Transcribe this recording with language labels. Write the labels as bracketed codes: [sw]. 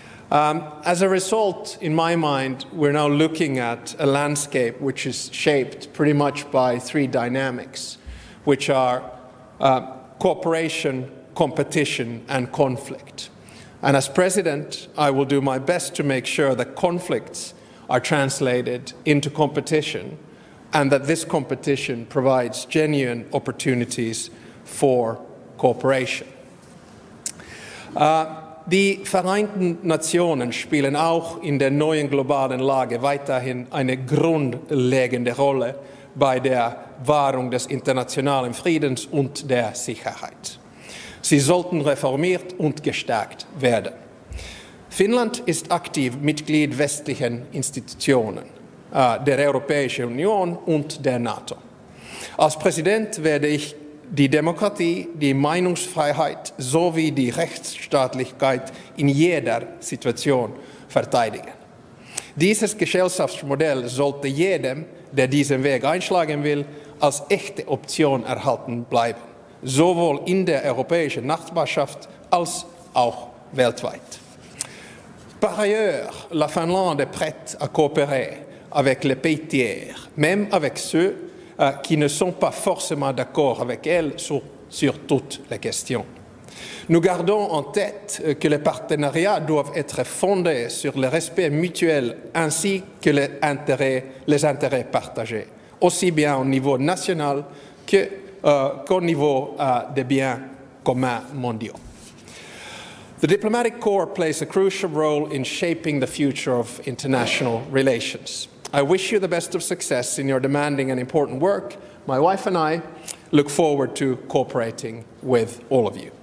[en] As a result, in my mind, we're now looking at a landscape which is shaped pretty much by three dynamics, which are cooperation, competition, and conflict. And as president, I will do my best to make sure that conflicts are translated into competition and that this competition provides genuine opportunities for cooperation. [de] Die Vereinten Nationen spielen auch in der neuen globalen Lage weiterhin eine grundlegende Rolle bei der Wahrung des internationalen Friedens und der Sicherheit. Sie sollten reformiert und gestärkt werden. Finnland ist aktiv Mitglied westlichen Institutionen, der Europäischen Union und der NATO. Als Präsident werde ich die Demokratie, die Meinungsfreiheit sowie die Rechtsstaatlichkeit in jeder Situation verteidigen. Dieses Gesellschaftsmodell sollte jedem, der diesen Weg einschlagen will, als echte Option erhalten bleiben, sowohl in der europäischen Nachbarschaft als auch weltweit. [fr] Par ailleurs, la Finlande est prête à coopérer avec les pays tiers, même avec ceux qui ne sont pas forcément d'accord avec elle sur toutes les questions. Nous gardons en tête que les partenariats doivent être fondés sur le respect mutuel ainsi que les intérêts partagés, aussi bien au niveau national qu'au niveau des biens communs mondiaux. [en] The diplomatic corps plays a crucial role in shaping the future of international relations. I wish you the best of success in your demanding and important work. My wife and I look forward to cooperating with all of you.